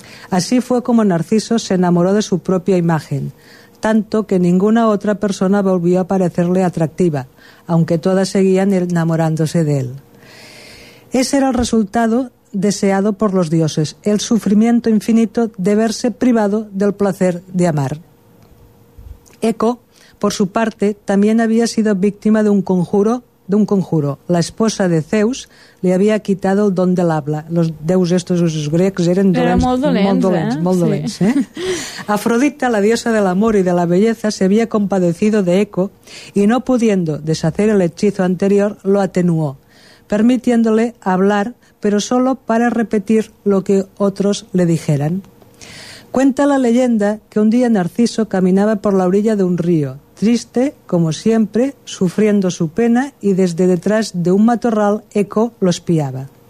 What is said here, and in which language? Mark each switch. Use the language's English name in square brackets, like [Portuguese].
[Spanish] Así fue como Narciso se enamoró de su propia imagen, tanto que ninguna otra persona volvió a parecerle atractiva, aunque todas seguían enamorándose de él. Ese era el resultado deseado por los dioses, el sufrimiento infinito de verse privado del placer de amar. Eco, por su parte, también había sido víctima de un conjuro d'un conjuro. [Catalan] L'esposa de Zeus li havia [Spanish] quitat el don [Catalan] de l'habla. Els déus estos, els grecs, eren dolents. Eren molt dolents, molt dolents, eh? Molt dolents, sí. Eh? [Spanish] Afrodita, la diosa [Catalan] de l'amor i [Spanish] de la belleza, se havia compadecido de Eco i no pudiendo deshacer el hechizo anterior, lo atenuó, permitiéndole hablar, pero solo para repetir lo que otros le dijeran. Cuenta la leyenda que un día Narciso caminaba por la orilla de un río, triste, como siempre, sufriendo su pena, y desde detrás de un matorral Eco lo espiaba.